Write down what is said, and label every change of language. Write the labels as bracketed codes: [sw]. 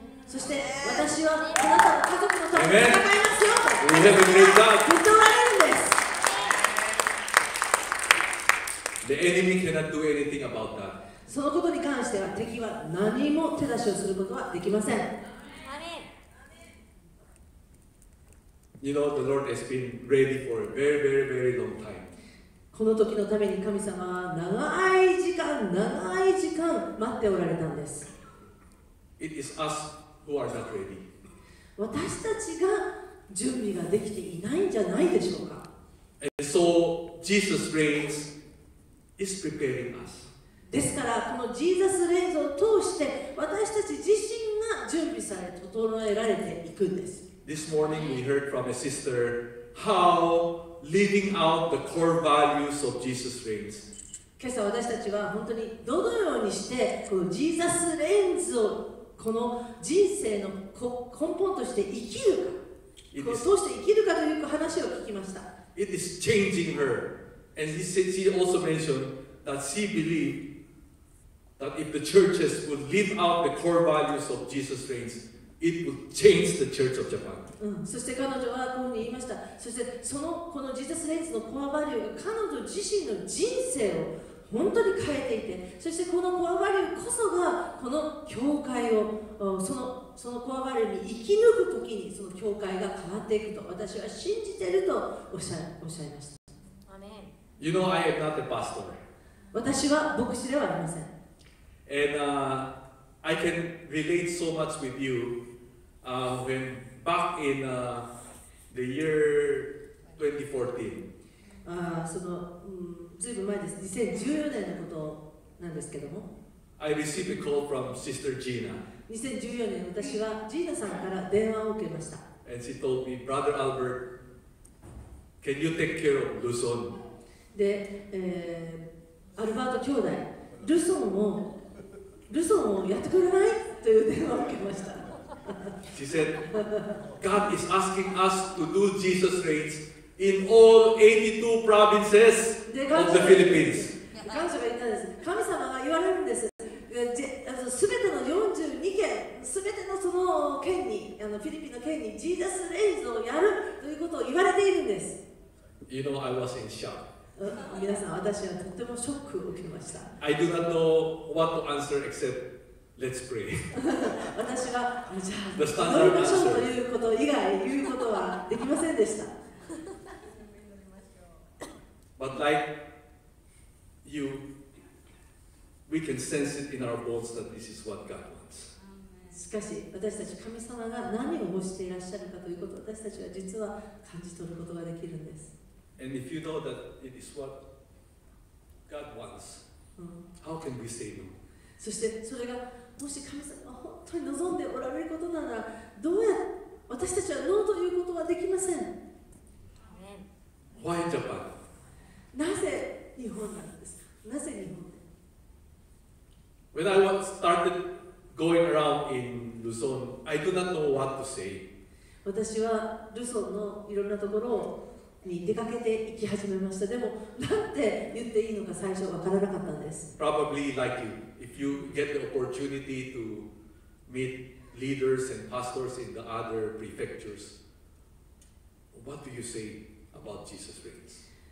[ja] そして私はあなたの家族のために戦いますよ。 [en] We have a great God. [ja] 言っておられるんです。 [en] The enemy cannot do anything about that. [ja] そのことに関しては敵は何も手出しをすることはできません。 [en] You know, the Lord has been ready for a very, very, very long time. [ja] この時のために神様は長い時間、長い時間待っておられたんです。 [en] It is us who are not ready. [ja] 私たちが準備ができていないんじゃないでしょうか。 [en] And so, Jesus reigns is preparing us. [ja] ですから、このジーザスレインズを通して私たち自身が準備され、整えられていくんです。 [en] This morning we heard from a sister how living out the core values of Jesus reigns. [ja] 今朝私たちは本当にどのようにしてこのジーザスレインズをこの人生の根本として生きるか、どうして生きるかという話を聞きました。 [en] It is changing her, and she also mentioned that she believed that if the churches would live out the core values of Jesus reigns. It would change the church of Japan. [ja] そして彼女はこう言いました。そしてそのこのジーザスレインズのコアバリューが彼女自身の人生を本当に変えていて、そしてこのコアバリューこそがこの教会をそのコアバリューに生き抜くときにその教会が変わっていくと私は信じているとおっしゃいました。アメン。 [en] You know I am not a pastor. [ja] 私は牧師ではありません。 [en] And, I can relate so much with you when back in the year 2014. I received a call from Sister Gina. [ja] 2014年、私はジーナさんから電話を受けました。 [en] And she told me, Brother Albert, Can you take care of Luzon? [ja] で、アルバート兄弟、ルソンをやってくれないという電話を受けました。 [en] She said, God is asking us to do Jesus raids in all 82 provinces of the Philippines. [ja] 彼女が言ったんです。神様が言われるんです。すべての42県、すべてのその県に、フィリピンの県に、ジーザスレイズをやるということを言われているんです。 [en] You know, I was in shock. [ja] 皆さん、私はとてもショックを受けました。 [en] I do not know what to answer except, let's pray. [ja] 私は、じゃあ、祈りましょうということ以外、言うことはできませんでした。 [en] But like you,We can sense it in our bones that this is what God wants. [ja] しかし、私たち神様が何を欲していらっしゃるかということを私たちは実は感じ取ることができるんです。 [en] And if you know that it is what God wants, how can we say no? [ja] そして、それがもし神様が本当に望んでおられることなら、どうやって私たちはノーということはできません。 [en] Why Japan? [ja] なぜ日本なんですか？なぜ日本？ [en] When I started going around in Luzon, I do not know what to say. [ja] 私はルソンのいろんなところに出かけて行き始めました。でも、なんて言っていいのか最初わからなかったんです。 [en] Probably like you, if you get the opportunity to meet leaders and pastors in the other prefectures, what do you say about Jesus Christ?